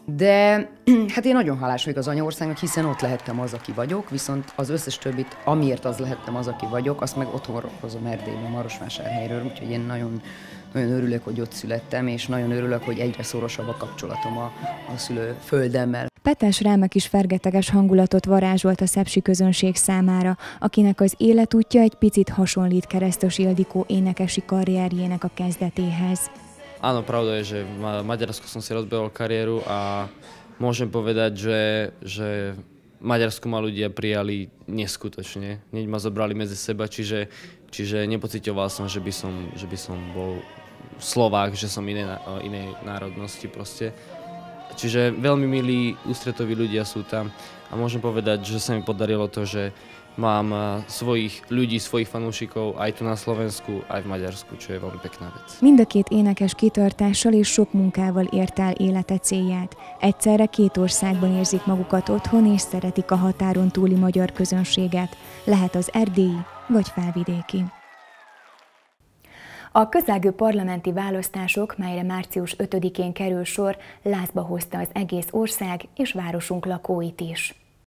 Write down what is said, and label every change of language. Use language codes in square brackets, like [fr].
[hu] De hát én nagyon hálás vagyok az anyaországnak, hiszen ott lehettem az, aki vagyok, viszont az összes többit, amiért az lehettem az, aki vagyok, azt meg otthon hozom Erdélyben, Marosvásárhelyről, úgyhogy én nagyon örülök, hogy ott születtem, és nagyon örülök, hogy egyre szorosabb a kapcsolatom a szülőföldemmel. Petes Rámek is fergeteges hangulatot varázsolt a szepsi közönség számára, akinek az életútja egy picit hasonlít Keresztes Ildikó énekesi karrierjének a kezdetéhez. [sk] Áno, pravda je, že v Maďarsku som si rozbehol kariéru a môžem povedať, že Maďarsku ma ľudia prijali neskutočne. Neď ma zobrali medzi seba, čiže nepocitoval som, že by som bol Slovák, že som inej národnosti proste. Čiže veľmi milí ústretoví ľudia sú tam a môžem povedať, že sa mi podarilo to, že mám svojich ľudí, svojich fanúšikov aj tu na Slovensku, aj v Maďarsku, čo je veľmi pekná vec. [hu] Mind a két énekes kitartással és sok munkával ért el élete célját. Egyszerre két országban érzik magukat otthon és szeretik a határon túli magyar közönséget. Lehet az erdélyi vagy felvidéki. A közelgő parlamenti választások, melyre március 5-én kerül sor, lázba hozta az egész ország és városunk lakóit is.